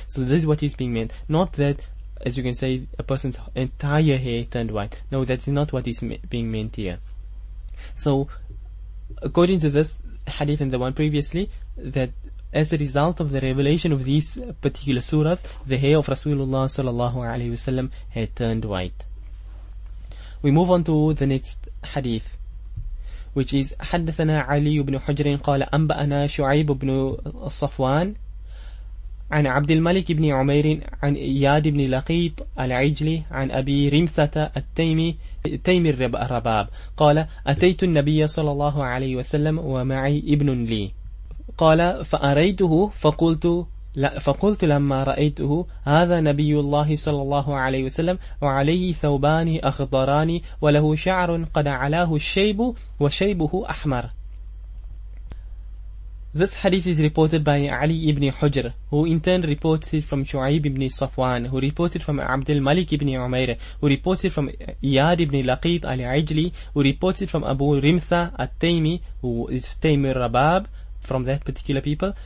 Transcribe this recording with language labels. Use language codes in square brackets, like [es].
[en] So this is what is being meant. Not that, as you can say, a person's entire hair turned white. No, that's not what is being meant here. So according to this hadith and the one previously, that as a result of the revelation of these particular surahs, the hair of Rasulullah sallallahu alaihi wasallam had turned white. We move on to the next hadith, which is [ar] حَدَّثَنَا عَلِيُّ بْنُ حُجْرٍ قَالَ أَنْبَأَنَا شُعَيْبُ بْنُ صَفْوَانَ عَنْ عَبْدِ الْمَلِكِ بْنِ عُمَيْرٍ عَنْ إِيَادِ بْنِ لَقِيطٍ الْعِجْلِ عَنْ أَبِي رِمْثَةَ التَّيْمِ تيم الرباب قال أتيت النبي صلى الله عليه وسلم ومعي ابن لي قال فأريته فقلت لما رأيته هذا نبي الله صلى الله عليه وسلم وعليه ثوبان أخضران وله شعر قد علاه الشيب وشيبه أحمر. [en] This hadith is reported by Ali ibn Hujr, who in turn reports it from Shu'ayb ibn Safwan, who reported from Abd al-Malik ibn Umayr, who reported from Iyad ibn Laqit al-Ajli, who reported from Abu Rimtha al-Taymi, who is Taymi al-Rabab, from that particular people.